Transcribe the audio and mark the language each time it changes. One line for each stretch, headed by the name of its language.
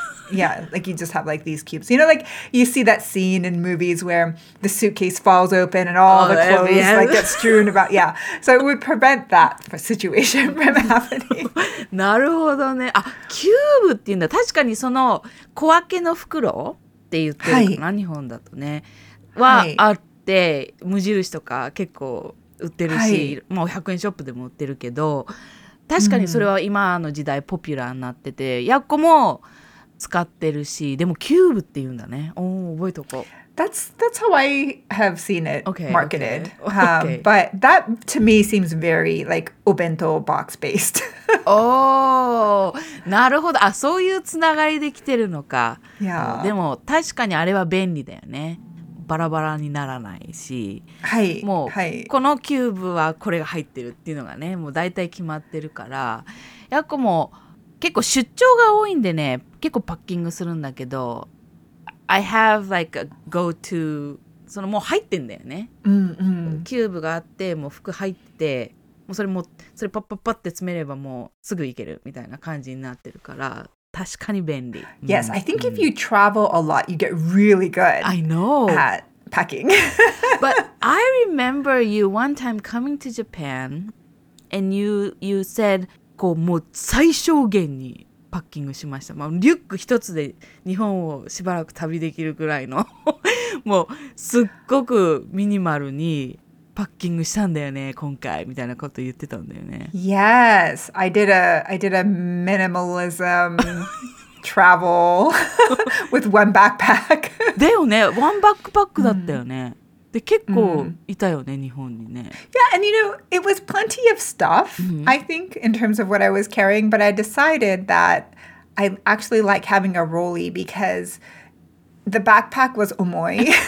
English: Yeah, like you just have like these cubes. You know, like you see that scene in movies where the suitcase falls open and all the clothes like get strewn about. Yeah, so it would prevent that situation from happening.
Japanese: なるほどね。あ、キューブっていうんだ。確かにその小分けの袋って言ってるかな、はい、日本だとね。はあって、無印とか結構売ってるし、はい、もう100円ショップでも売ってるけど、確かにそれは今の時代ポピュラーになってて、やっこも使ってるし、でもキューブって言うんだね。おー、覚えとこう。
English: That's how I have seen it marketed. Okay. But that to me seems very like お弁当 box based.
Japanese: Oh, なるほど。あ、そういうつながりできてるのか。
English: Yeah.
Japanese: でも確かにあれは便利だよね。バラバラにならないし、はい、もう、はい、このキューブはこれが入ってるっていうのがね、もう大体決まってるから、やっこも結構出張が多いんでね、結構パッキングするんだけど、
English: I have like a go to、
Japanese: そのもう入ってんだよね、うんうん、キューブがあってもう服入って、もうそれもそれパッパッパッって詰めればもうすぐ行けるみたいな感じになってるから。確かに便利。
English: Yes, I think if you travel a lot, you get really good I know. at packing. But I remember you one time coming to Japan, and you said,
Japanese: こうもう最小限にパッキングしました。まあ、リュック一つで日本をしばらく旅できるぐらいの、もうすっごくミニマルに、パッキングしたんだよね、今回みたいなこと言ってたんだよね。
English: Yes, I did a minimalism travel with one backpack.
Japanese: だよね、ワンバックパックだったよね。で、結構いたよね、日本にね。
English: Yeah, and you know, it was plenty of stuff, I think, in terms of what I was carrying, but I decided that I actually like having a rollie because the backpack was 重い。